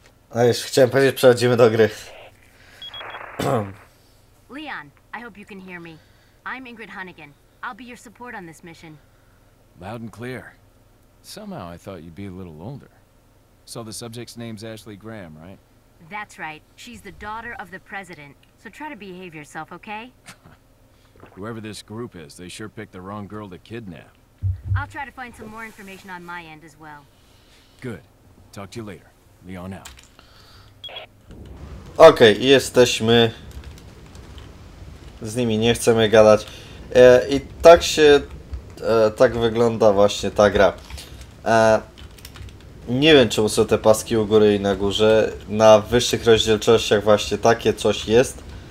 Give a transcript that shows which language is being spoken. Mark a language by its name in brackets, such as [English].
[Polish] A już chciałem powiedzieć, przechodzimy do gry. [English] Leon, I hope you can hear me. I'm Ingrid Hunnigan. I'll be your support on this mission. Loud and clear. Somehow I thought you'd be a little older. So the subject's name's Ashley Graham, right? That's right. She's the daughter of the president. So try to behave yourself, okay? Whoever this group is, they sure picked the wrong girl to kidnap. I'll try to find some more information on my end as well. Good. Talk to you later. Leon out. [Polish] Okej, okay, jesteśmy z nimi, nie chcemy gadać. I tak się, tak wygląda właśnie ta gra. Nie wiem, czemu są te paski u góry i na górze. Na wyższych rozdzielczościach właśnie takie coś jest.